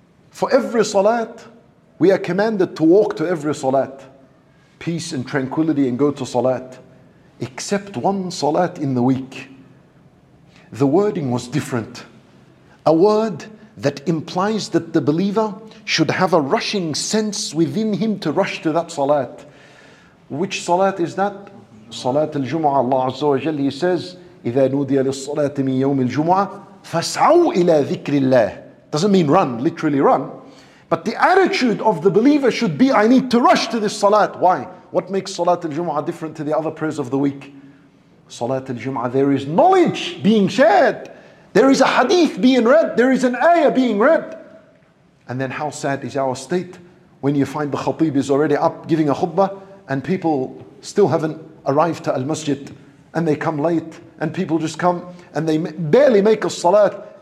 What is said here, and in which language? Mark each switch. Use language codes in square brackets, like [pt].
[en] For every salat, we are commanded to walk to every salat, peace and tranquility, and go to salat, except one salat in the week. The wording was different. A word that implies that the believer should have a rushing sense within him to rush to that salat. Which salat is that? Salat al-Jumu'ah. [ar] Allah Azza wa Jalla, He says, إِذَا نُودِيَ لِلصَّلَاةِ مِنْ يَوْمِ الْجُمُعَةِ فَاسْعَوْا إِلَىٰ ذِكْرِ اللَّهِ. [en] Doesn't mean run, literally run. But the attitude of the believer should be, I need to rush to this salat. Why? What makes Salat al-Jumu'ah different to the other prayers of the week? Salat al-Jumu'ah, there is knowledge being shared. There is a hadith being read. There is an ayah being read. And then how sad is our state when you find the khatib is already up giving a khutbah and people still haven't arrived to al-masjid and they come late and people just come and they barely make a salat.